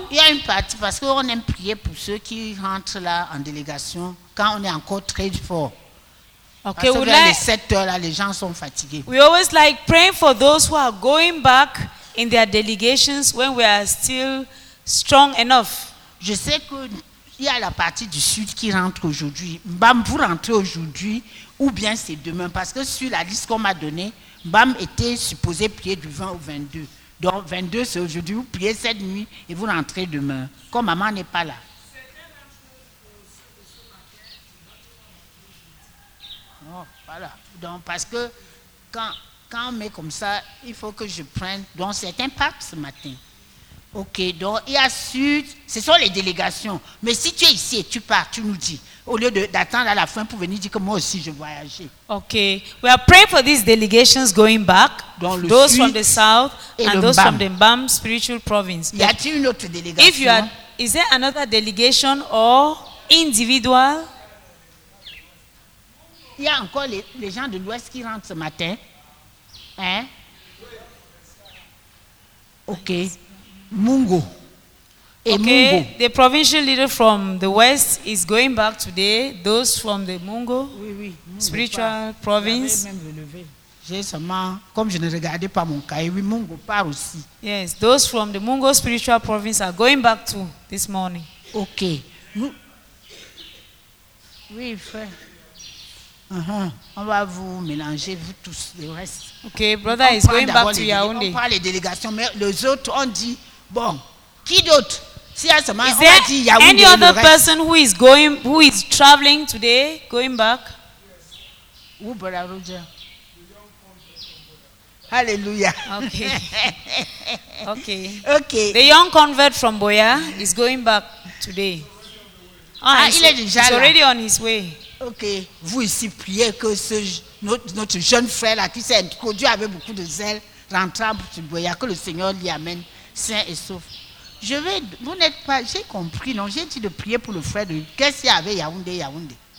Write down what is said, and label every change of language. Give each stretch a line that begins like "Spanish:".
French: Il y a une partie, parce qu'on aime prier pour ceux qui rentrent là en délégation, quand on est encore très fort. Okay, parce que vers les 7 heures, là, les gens sont fatigués.
English: We always like praying for those who are going back in their delegations when we are still strong enough.
French: Je sais qu'il y a la partie du sud qui rentre aujourd'hui. Bam, vous rentrez aujourd'hui ou bien c'est demain, parce que sur la liste qu'on m'a donnée, Bam était supposé prier du 20 au 22. Donc 22, c'est aujourd'hui. Vous priez cette nuit et vous rentrez demain. Quand maman n'est pas là. Oh, voilà. Donc parce que quand on met comme ça, il faut que je prenne. Donc certains partent ce matin. Ok, donc il y a sud. Ce sont les délégations. Mais si tu es ici et tu pars, tu nous dis. Au lieu d'attendre à la fin pour venir dire que moi aussi je voyageais.
English: Ok, we are praying for these delegations going back, those from the south and those from the Mbam spiritual province.
French: Y a-t-il une autre délégation?
English: If you are, is there another delegation or individual?
French: Il y a encore les gens de l'Ouest qui rentrent ce matin, hein? Ok, Mungo.
English: Okay, the provincial leader from the West is going back today. Those from the Mungo, spiritual province.
French: J'ai seulement, comme je ne regardais pas mon cahier, oui, Mungo part aussi.
English: Yes, those from the Mungo spiritual province are going back too this morning. Okay.
French: Oui, frère. On va vous mélanger, vous tous, le reste.
English: Okay, brother is going back to Yaoundé.
French: On parle les délégations, mais les autres, on dit, bon, qui d'autre?
English: Is there any other person who is going, who is traveling today, going back? Who, Brother Roger? Hallelujah. Okay. Okay. Okay. The young convert from Boya is going back today.
French: Ah, il est déjà là.
English: He's already on his way. Okay.
French: Vous ici priez que ce notre jeune frère là qui s'est introduit avec beaucoup de zèle rentre à Boya, que le Seigneur l'y amène sain et sauf. Je vais, vous n'êtes pas, j'ai compris, non, j'ai dit de prier pour le frère de, qu'est-ce qu'il y avait Yaoundé, Yaoundé?